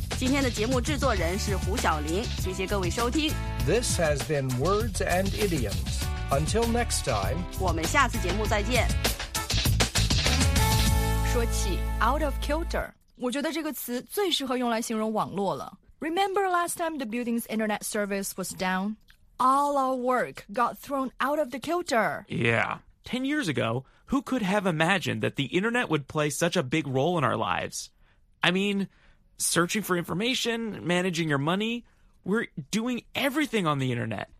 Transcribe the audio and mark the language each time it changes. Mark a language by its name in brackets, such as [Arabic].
[Chinese] 今天的节目制作人是胡晓林，谢谢各位收听。 [English] This has been Words and Idioms. Until next time, [Chinese] 我们下次节目再见。说起 [English] out of kilter, [Chinese] 我觉得这个词最适合用来形容网络了。 [English] Remember last time the building's internet service was down? All our work got thrown out of the kilter. Yeah. 10 years ago, who could have imagined that the internet would play such a big role in our lives? I mean... Searching for information, managing your money, we're doing everything on the internet.